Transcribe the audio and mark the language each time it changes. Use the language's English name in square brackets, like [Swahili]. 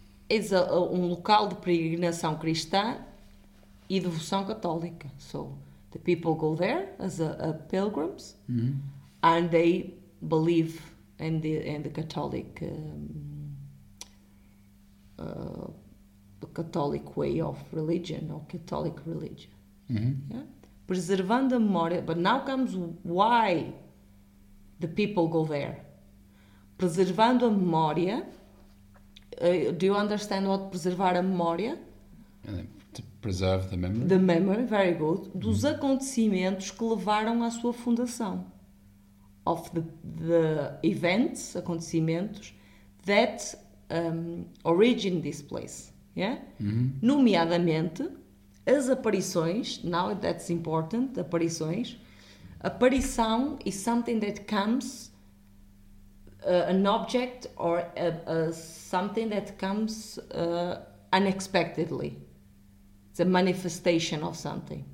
[English] is a [Portuguese] local de peregrinação cristã e devoção católica. [English] So the people go there as a pilgrims, mm-hmm. and they believe in the Catholic the Catholic way of religion or Catholic religion. Mm-hmm. [Portuguese] Yeah, preservando a memória. [English] But now comes why the people go there. [Portuguese] Preservando a memória. [English] Do you understand what [Portuguese] preservar a memória? [English] Preserve the memory. The memory, very good. Dos mm-hmm. [Portuguese] acontecimentos que levaram à sua fundação. [English] Of the events, acontecimentos, that origin this place. Yeah? Mm-hmm. [Portuguese] Nomeadamente, as aparições, [English] now that's important, [Portuguese] aparições. [English] Aparição is something that comes, an object or a something that comes unexpectedly. A manifestation of something,